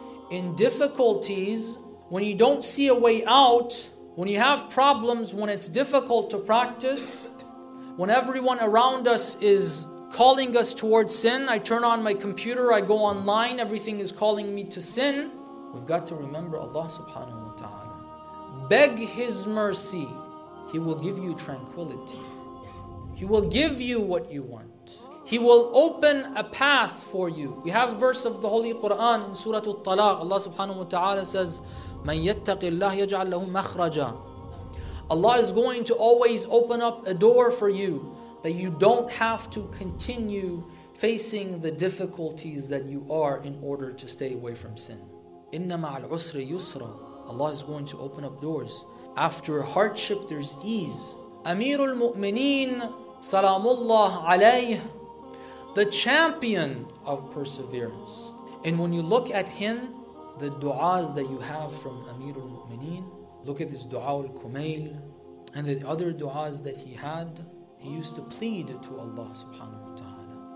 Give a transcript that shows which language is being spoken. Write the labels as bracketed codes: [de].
[en] In difficulties, when you don't see a way out, when you have problems, when it's difficult to practice, when everyone around us is calling us towards sin, I turn on my computer, I go online, everything is calling me to sin. We've got to remember Allah subhanahu wa ta'ala. Beg His mercy. He will give you tranquility. He will give you what you want. He will open a path for you. We have a verse of the Holy Quran in Surah Al-Talaq. [ar] Allah subhanahu wa ta'ala says, مَنْ يَتَّقِ اللَّهِ يَجْعَلْ لَهُ مَخْرَجًا. [en] Allah is going to always open up a door for you, that you don't have to continue facing the difficulties that you are in order to stay away from sin. [ar] إِنَّ مَعَ الْعُسْرِ يُسْرًا. [en] Allah is going to open up doors. After hardship, there's ease. [ar] أمير المؤمنين سلام الله عليه. [en] The champion of perseverance. And when you look at him, the du'as that you have from Amir al-Mu'mineen, look at his du'a al-Kumail, and the other du'as that he had, he used to plead to Allah subhanahu wa ta'ala.